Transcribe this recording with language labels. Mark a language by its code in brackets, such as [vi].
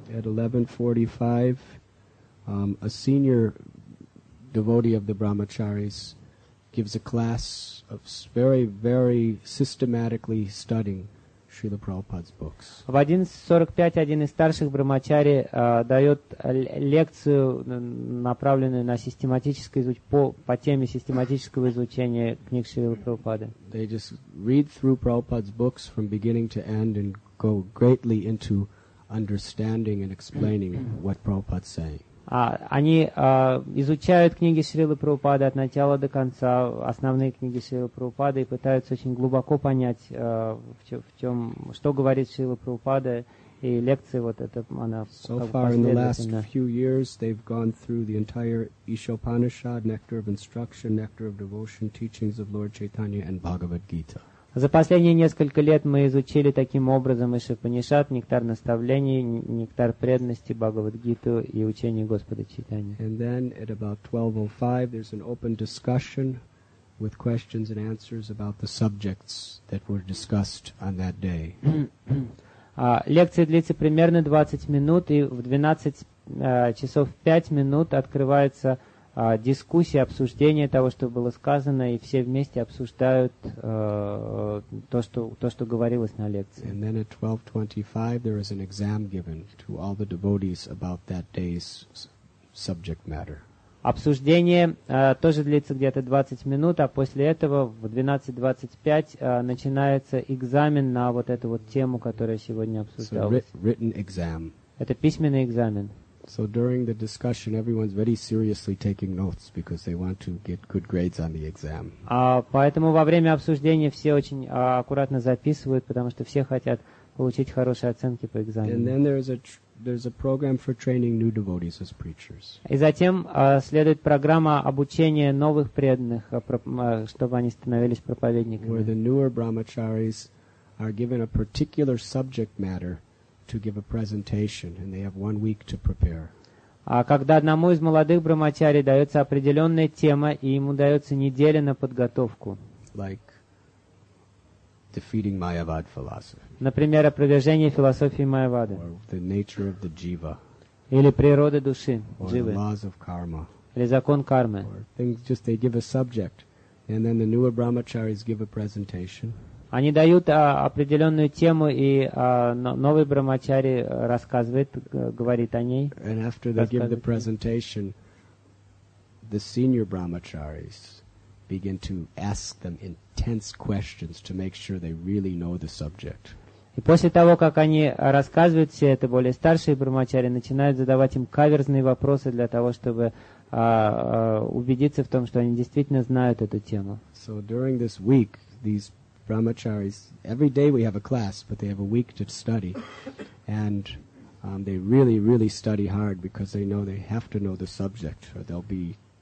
[en] At 11:45, a senior devotee of the brahmacharis gives a class of very, very systematically studying Srila Prabhupada's books. [ru] В 11:45 один из старших брахмачари дает лекцию, направленную на систематическое изучение по теме систематического изучения книг Шрилы Прабхупады. [en] They just read through Prabhupada's books from beginning to end and go greatly into understanding and explaining what Prabhupada's saying. [ru] Они изучают книги Шрилы Прабхупады от начала до конца, основные книги Шрилы Прабхупады, и пытаются очень глубоко понять, в чем, что говорит Шрила Прабхупада, и лекции вот это, она последовательна. [en] So far, in the last few years, they've gone through the entire Ishopanishad, Nectar of Instruction, Nectar of Devotion, Teachings of Lord Chaitanya and Bhagavad Gita. [ru] За последние несколько лет мы изучили таким образом Ишопанишад, нектар наставлений, нектар преданности, Бхагавад-гиту и учение Господа Чайтаньи. [en] And then at about 12:05 there's an open discussion with questions and answers about the subjects that were discussed on that day. [ru] Лекция длится примерно 20 минут, и в 12:05 открывается дискуссии, обсуждение того, что было сказано, и все вместе обсуждают то, что говорилось на лекции. [en] And then at 12:25 there is an exam given to all the devotees about that day's subject matter. [ru] Обсуждение тоже длится где-то 20 минут, а после этого в 12:25 начинается экзамен на вот эту вот тему, которая сегодня обсуждалась. [en] So written exam. [ru] Это письменный экзамен. [en] So during the discussion, everyone's very seriously taking notes because they want to get good grades on the exam. [ru] Поэтому во время обсуждения все очень аккуратно записывают, потому что все хотят получить хорошие оценки по экзамену. [en] And then there's a program for training new devotees as preachers. [ru] И затем следует программа обучения новых преданных, чтобы они становились проповедниками. [en] Where the newer brahmacharis are given a particular subject matter to give a presentation, and they have 1 week to prepare. [ru] Когда одному из молодых брахмачари дается определенная тема, и ему дается неделя на подготовку. [en] Like defeating Mayavad philosophy. [ru] Например, опровержение философии Майявады. [en] Or the nature of the jiva. [ru] Или природа души, [en] or jiva. The laws of karma. [ru] Или закон кармы. [en] Or things, just they give a subject, and then the newer brahmacharis give a presentation. [ru] Они дают определенную тему, и новый брахмачари рассказывает, говорит о ней. [en] And after they give the presentation, the senior brahmacharis begin to ask them intense questions to make sure they really know the subject. [ru] И после того, как они рассказывают все это, более старшие брахмачари начинают задавать им каверзные вопросы для того, чтобы убедиться в том, что они действительно знают эту тему. [en] So during this week, these brahmacharis, every day we have a class, but they have a week to study, and they really, really study hard because they know they have to know the subject, or they'll be